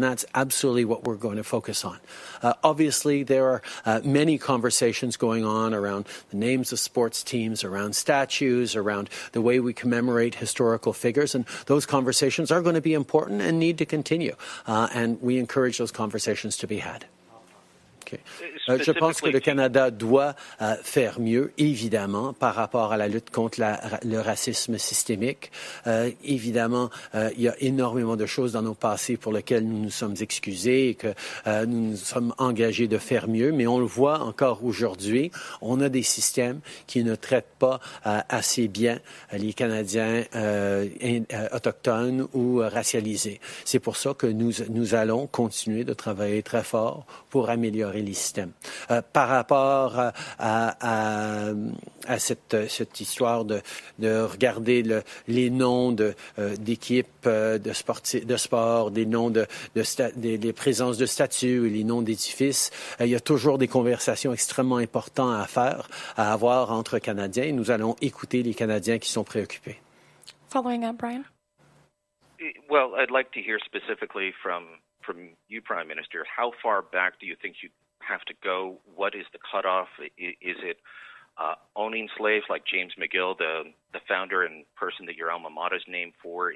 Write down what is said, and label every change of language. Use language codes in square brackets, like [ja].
[en] And that's absolutely what we're going to focus on. Obviously, there are many conversations going on around the names of sports teams, around statues, around the way we commemorate historical figures. And those conversations are going to be important and need to continue. And we encourage those conversations to be had. Okay. [fr] Je pense que le Canada doit faire mieux, évidemment, par rapport à la lutte contre le racisme systémique. Évidemment, il y a énormément de choses dans nos passés pour lesquelles nous nous sommes excusés et que nous nous sommes engagés de faire mieux. Mais on le voit encore aujourd'hui, on a des systèmes qui ne traitent pas assez bien les Canadiens autochtones ou racialisés. C'est pour ça que nous allons continuer de travailler très fort pour améliorer les systèmes. par rapport à cette histoire de regarder les noms d'équipes de sport, des noms des présences de statues et les noms d'édifices, il y a toujours des conversations extrêmement importantes à faire, à avoir entre Canadiens. Nous allons écouter les Canadiens qui sont préoccupés. [en] Following up, Brian. Well, I'd like to hear specifically from you, Prime Minister, how far back do you think you have to go? What is the cutoff? Is it owning slaves like James McGill, the founder and person that your alma mater is named for?